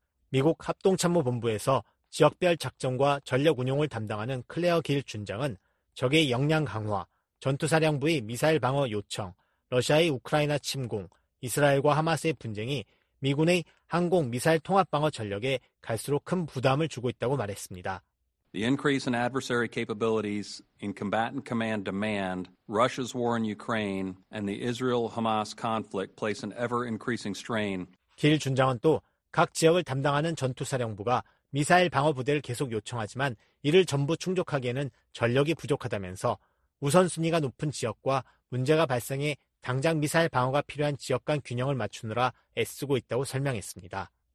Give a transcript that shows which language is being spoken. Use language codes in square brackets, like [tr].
[ko] 미국 합동참모본부에서 지역별 작전과 전력 운용을 담당하는 클레어 길 준장은 적의 역량 강화, 전투사령부의 미사일 방어 요청, 러시아의 우크라이나 침공, 이스라엘과 하마스의 분쟁이 미군의 항공 미사일 통합 방어 전력에 갈수록 큰 부담을 주고 있다고 말했습니다. [en] The increase in adversary capabilities in combatant command demand, Russia's war in Ukraine, and the Israel-Hamas conflict place an ever-increasing strain. [ko] 길 준장은 또 각 지역을 담당하는 전투사령부가 미사일 방어 부대를 계속 요청하지만 이를 전부 충족하기에는 전력이 부족하다면서 우선순위가 높은 지역과 문제가 발생해 당장 미사일 방어가 필요한 지역 간 균형을 맞추느라 애쓰고 있다고 설명했습니다.